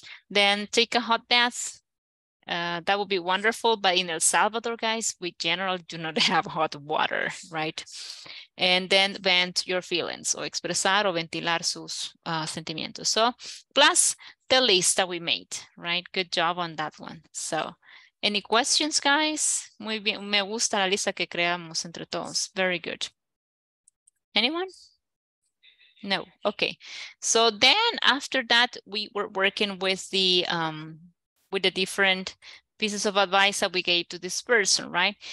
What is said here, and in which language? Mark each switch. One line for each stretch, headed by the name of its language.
English: Then take a hot bath. That would be wonderful. But in El Salvador, guys, we generally do not have hot water, right? And then vent your feelings
Spanish: o expresar o ventilar sus sentimientos.
English: So plus the list that we made, right? Good job on that one. So any questions, guys?
Spanish: Muy bien. Me gusta la lista que creamos entre todos.
English: Very good. Anyone? No. Okay. So then after that, we were working with the different pieces of advice that we gave to this person, right?